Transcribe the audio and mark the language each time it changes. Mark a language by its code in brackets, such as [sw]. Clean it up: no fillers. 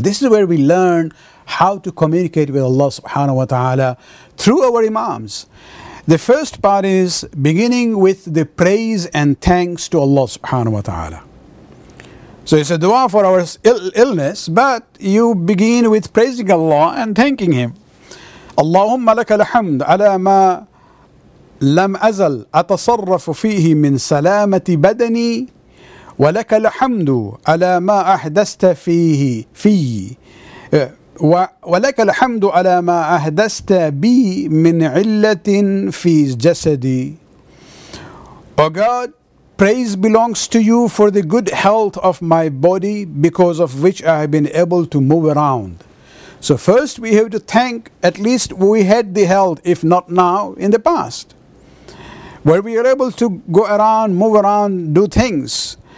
[en] This is where we learn how to communicate with Allah subhanahu wa ta'ala through our imams. The first part is beginning with the praise and thanks to Allah subhanahu wa ta'ala. So it's a dua for our illness, but you begin with praising Allah and thanking Him. [ar] اللهم لك الحمد على ما لم أزل أتصرف فيه من سلامة بدني ولك الحمد على ما أحدثت فيه في ولك الحمد على ما أحدثت بي من علة في جسدي [en] O God, praise belongs to you for the good health of my body, because of which I have been able to move around. So first we have to thank, at least we had the health, if not now, in the past, where we are able to go around, move around, do things.